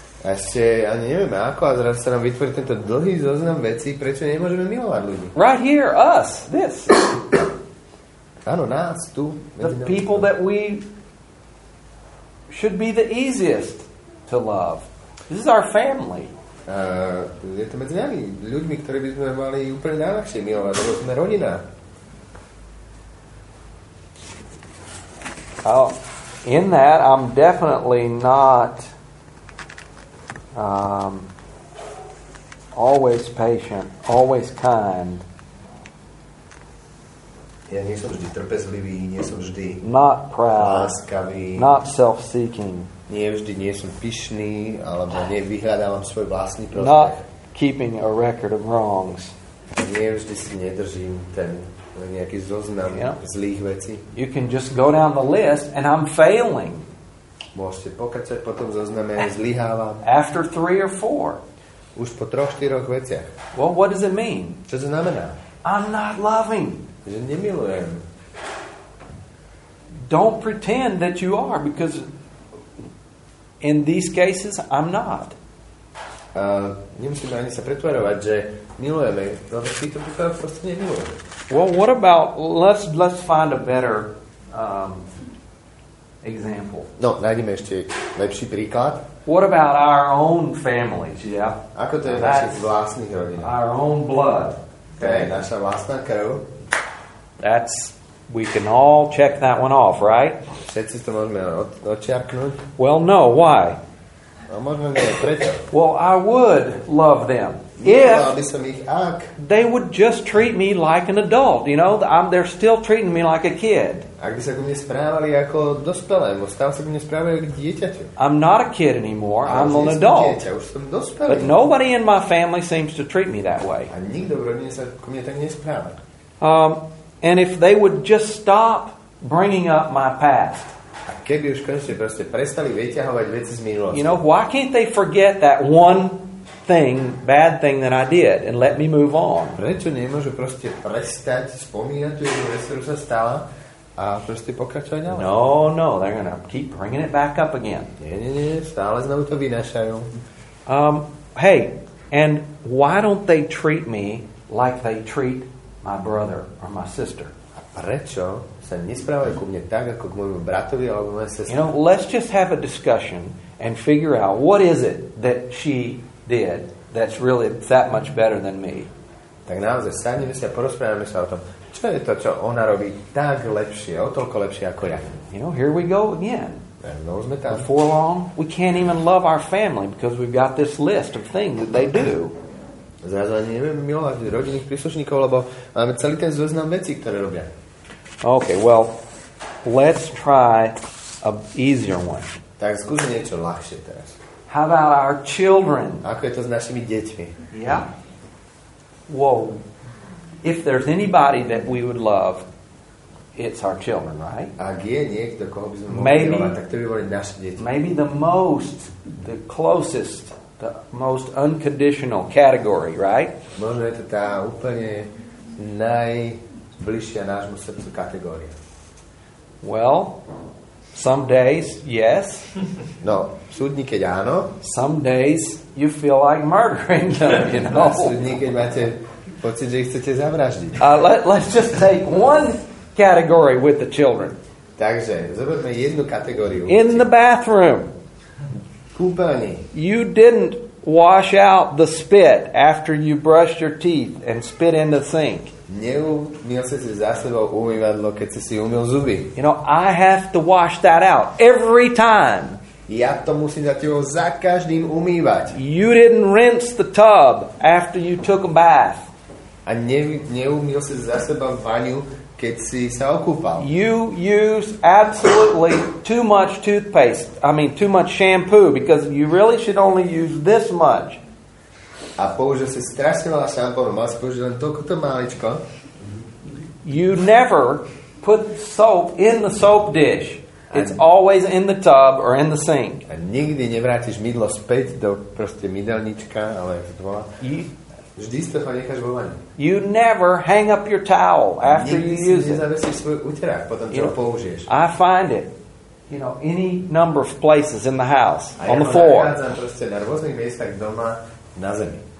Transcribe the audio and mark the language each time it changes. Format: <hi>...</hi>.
<sk>Ešte ani nevieme ako, a zrazu sa nám vytvorí tento dlhý zoznam vecí, prečo nemôžeme milovať ľudí.</sk> <en>Right here, us, this.</en> <sk>Áno, nás, tu.</sk> <en>The people that we should be the easiest to love. This is our family.</en> <sk>Je to medzi nami ľuďmi, ktorí by sme mali úplne najľahšie milovať, lebo sme rodina.</sk> <en>Oh, in that I'm definitely not always patient, always kind.</en> <sk>Ja nie som vždy trpezlivý, nie som vždy</sk> <en>not proud,</en> <sk>láskavý,</sk> <en>not self-seeking.</en> <sk>Nie vždy nie som pyšný, alebo nie vyhľadávam svoj vlastný prospech.</sk> <en>Not keeping a record of wrongs.</en> <sk>Nie vždy si nedržím ten nejaký zoznam zlých vecí.</sk> <en>You can just go down the list and I'm failing.</en> <sk>Môžete pokračovať po tom zozname a zlyhávam.</sk> <en>After three or four.</en> <sk>Už po troch, štyroch veciach.</sk> <en>Well, what does it mean?</en> <sk>Čo to znamená?</sk> <en>I'm not loving.</en> <sk>Že nemilujem.</sk> <en>Don't pretend that you are, because in these cases, I'm not.</en> <sk>Nemusíme ani sa pretvárovať, že milujeme. No, v týchto prípadoch proste nemilujeme.</sk> <en>Well, what about, let's find a better example.</en> <sk>No, nájdeme ešte lepší príklad.</sk> <en>What about our own families, yeah?</en> <sk>Ako to je v našich vlastných rodinách?</sk> <en>Our own blood.</en> <sk>Okay, naša vlastná krv.</sk> <en>That's... We can all check that one off, right?</en> <sk>Všetci to môžeme odčiarknúť.</sk> <en>Well, no, why?</en> <sk>No, môžeme nie, prečo?</sk> <en>Well, I would love them.</en> <sk>Ak</sk> <en>they would just treat me like an adult, you know? They're still treating me like a kid.</en> <sk>Ak by sa ku mne správali ako dospelému, stále sa ku mne správajú ako dieťaťu.</sk> <en>I'm not a kid anymore, I'm an adult.</en> <sk>Dieťa, už som dospelý.</sk> <en>But nobody in my family seems to treat me that way.</en> <sk>A nikto v rodine sa ku mne tak nespráva.</sk> <en>And if they would just stop bringing up my past.</en> <sk>A keby už konečne proste prestali vyťahovať veci z minulosti.</sk> <en>You know, why can't they forget that one thing, bad thing that I did and let me move on?</en> <sk>Prečo nemôžu proste prestať spomínať tú jednu vec, ktorú sa stala a proste pokračovať ďalej?</sk> <en>No, no, they're gonna keep bringing it back up again.</en> <sk>Nie, stále znovu to vynášajú.</sk> <en>Hey, and why don't they treat me like they treat my brother or my sister.</en> <sk>Prečo sa nesprávajú ku mne tak, ako k môjmu bratovi alebo mojej sestre?</sk> <en>You know, let's just have a discussion and figure out what is it that she did that's really that much better than me.</en> <sk>Tak naozaj, sadneme si a porozprávame sa o tom, čo je to, čo ona robí tak lepšie, o toľko lepšie ako ja.</sk> <en>You know, here we go again.</en> <sk>No, sme tam.</sk> <en>Before long, we can't even love our family because we've got this list of things that they do.</en> <sk>Zrazu ani nevieme milovať rodinných príslušníkov, lebo máme celý ten zoznam vecí, ktoré robia.</sk> <en>Okay, well, let's try a easier one.</en> <sk>Tak skúsme niečo ľahšie teraz.</sk> <en>How about our children?</en> <sk>Ako je to s našimi deťmi?</sk> <en>Yeah. Whoa. If there's anybody that we would love, it's our children, right?</en> <sk>Ak je niekto, koho by sme mohli milovať, tak to by boli naši deti.</sk> <en>Maybe the most, the closest, the most unconditional category, right?</en> <sk>Možno je to tá úplne najbližšia nášmu srdcu kategória.</sk> <en>Well, some days, yes.</en> <sk>No, sú dni, keď áno.</sk> <en>Some days, you feel like murdering them, you know.</en> <sk>Sú dni, keď máte pocit, že ich chcete zavraždiť.</sk> <en>Let's just take one category with the children.</en> <sk>Takže, zoberme jednu kategóriu.</sk> <en>In the bathroom.</en> <sk>Kúpeľni.</sk> <en>You didn't wash out the spit after you brushed your teeth and spit in the sink.</en> <sk>Neumiel si za sebou umývadlo, keď si si umyl zuby.</sk> <en>You know, I have to wash that out every time.</en> <sk>Ja to musím za tebou za každým umývať.</sk> <en>You didn't rinse the tub after you took a bath.</en> <sk>A neumiel si za sebou vaniu, keď si sa okúpal.</sk> <en>You use absolutely too much toothpaste. I mean, too much shampoo, because you really should only use this much.</en> <sk>A použil si strašne veľa šampónu, mal si použiť len toľkoto maličko.</sk> <en>You never put soap in the soap dish. It's always in the tub or in the sink.</en> <sk>A nikdy nevrátiš mydlo späť do proste mydelnička, ale dvoľa. Vždy si to necháš vo vani.</sk> <en>You never hang up your towel after you use it.</en> <sk>Nikdy si nezavesíš svoj úterák potom, čo ho použiješ.</sk> <en>I find it. You know, any number of places in the house, on the floor.</en> <sk>A ja nachádzam proste na rôznych miestach doma, na zemi.</sk>